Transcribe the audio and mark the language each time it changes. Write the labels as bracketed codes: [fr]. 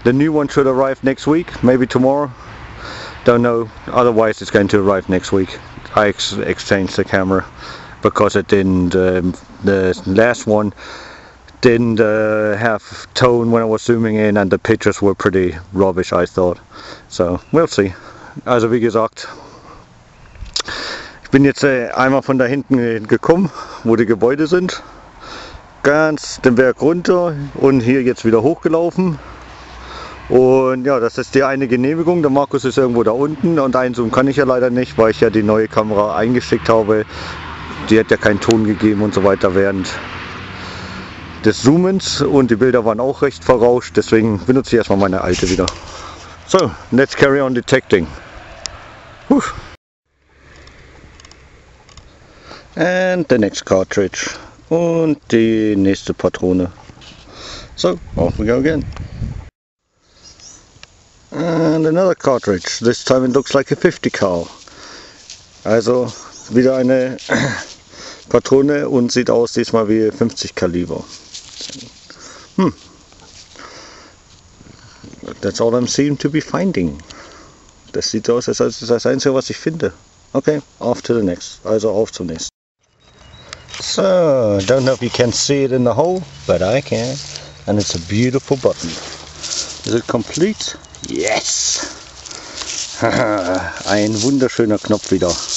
[en] The new one should arrive next week, maybe tomorrow. Don't know. Otherwise, it's going to arrive next week. I exchanged the camera because it didn't. The last one didn't have tone when I was zooming in, and the pictures were pretty rubbish, I thought. So we'll see. [de] Also wie gesagt, ich bin jetzt einmal von da hinten gekommen, wo die Gebäude sind. Ganz den Berg runter und hier jetzt wieder hochgelaufen. Und ja, das ist die eine Genehmigung. Der Markus ist irgendwo da unten und einzoomen kann ich ja leider nicht, weil ich ja die neue Kamera eingeschickt habe. Die hat ja keinen Ton gegeben und so weiter während des Zoomens. Und die Bilder waren auch recht verrauscht, deswegen benutze ich erstmal meine alte wieder. [en] So, let's carry on detecting. And the next cartridge. [de] Und die nächste Patrone. [en] So, off we go again. And another cartridge. This time it looks like a 50 cal. Also, [de] wieder eine Patrone und sieht aus diesmal wie 50 Kaliber. [en] That's all I'm seem to be finding. [de] Das sieht aus, als ist das Einzige, was ich finde. [en] Okay, off to the next. [de] Also auf zum nächsten. [en] So, don't know if you can see it in the hole, but I can. And it's a beautiful button. Is it complete? Yes! [de] Ein wunderschöner Knopf wieder.